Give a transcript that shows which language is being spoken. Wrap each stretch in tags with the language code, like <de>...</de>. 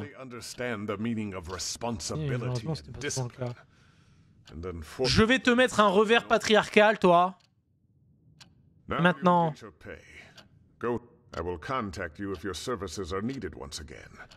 <en>They understand the meaning of responsibility and discipline.</en> <fr>Je vais te mettre un revers patriarcal, toi. Maintenant.</fr> <en>Go. I will contact you if your services are needed once again.</en>